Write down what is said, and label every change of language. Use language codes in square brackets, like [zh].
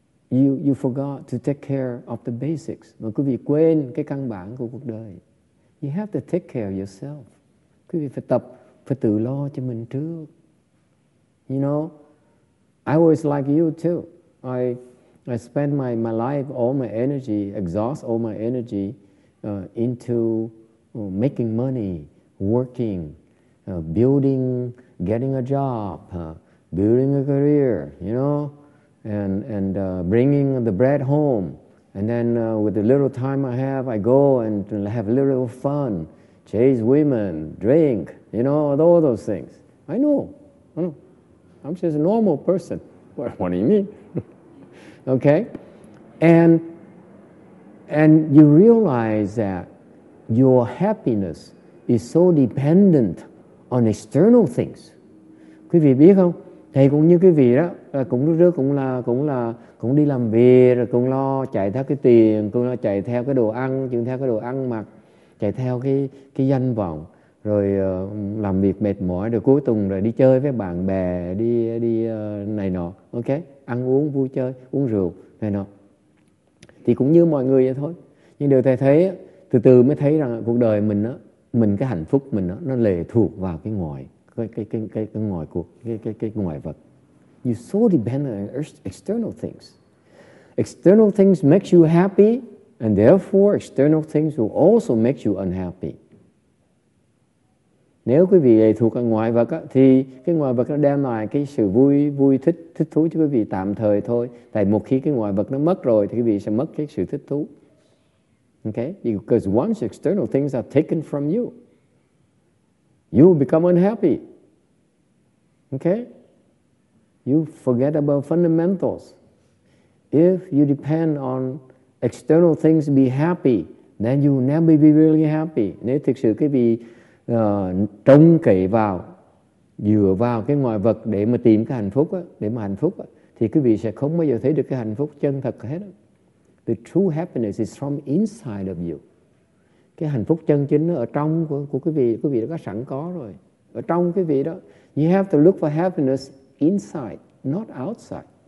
[en] You forgot to take care of the basics. [vi] Mà quý vị quên cái căn bản của cuộc đời. [en] You have to take care of yourself. [vi] Quý vị phải tập, phải tự lo cho mình trước. [en] You know, I was like you too. I spent my life, all my energy, exhaust all my energy into making money, working, building, getting a job, building a career, you know, and bringing the bread home. And then with the little time I have, I go and have a little fun, chase women, drink, you know, all those things. I know. I'm just a normal person. What do you mean? Okay? And you realize that your happiness is so dependent on external things. [vi] Quý vị biết không? Thầy cũng như quý vị đó, là cũng lúc trước cũng đi làm việc, rồi cũng lo chạy theo cái tiền, cũng lo chạy theo cái đồ ăn, chuyện theo cái đồ ăn mặc, chạy theo cái danh vọng, rồi làm việc mệt mỏi, rồi cuối tuần rồi đi chơi với bạn bè, đi này nọ, ok? Ăn uống, vui chơi, uống rượu, này nọ. Thì cũng như mọi người vậy thôi. Nhưng điều thầy thấy, từ từ mới thấy rằng cuộc đời mình á, mình cái hạnh phúc mình nó lệ thuộc vào cái ngoài, cái ngoài cuộc, cái ngoại vật. [en] You so dependent on external things. External things makes you happy, and therefore external things will also make you unhappy. [vi] Nếu quý vị thuộc vào ngoại vật á, thì cái ngoại vật nó đem lại cái sự vui thích thú cho quý vị tạm thời thôi. Tại một khi cái ngoại vật nó mất rồi thì quý vị sẽ mất cái sự thích thú. [en] Okay? Because once external things are taken from you, you become unhappy. Okay? You forget about fundamentals. If you depend on external things to be happy, then you will never be really happy. [vi] Nếu thực sự quý vị trông cậy vào, dựa vào cái ngoại vật để mà tìm cái hạnh phúc, để mà hạnh phúc, thì quý vị sẽ không bao giờ thấy được cái hạnh phúc chân thật hết. [en] The true happiness is from inside of you. [vi] Cái hạnh phúc chân chính ở trong của quý vị đã có sẵn có rồi. Ở trong quý vị đó, [en] you have to look for happiness inside, not outside.